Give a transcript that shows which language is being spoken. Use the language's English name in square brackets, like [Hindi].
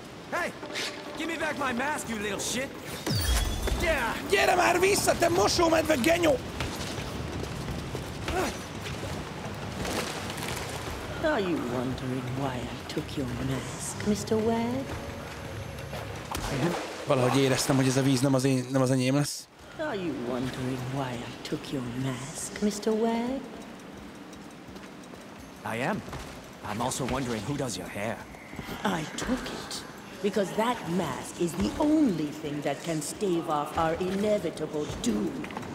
[English] Hey, give me back my mask, you little shit! Yeah. [Hungarian] Gyere már vissza, te mosómedve genyó! [English] Are you wondering why I took your mask, Mr. Wang? [Hungarian] Valahogy éreztem, hogy ez a víz nem az enyém lesz. [English] Are you wondering why I took your mask, Mr. Wang? I am. I'm also wondering who does your hair. I took it because that mask is the only thing that can stave off our inevitable doom.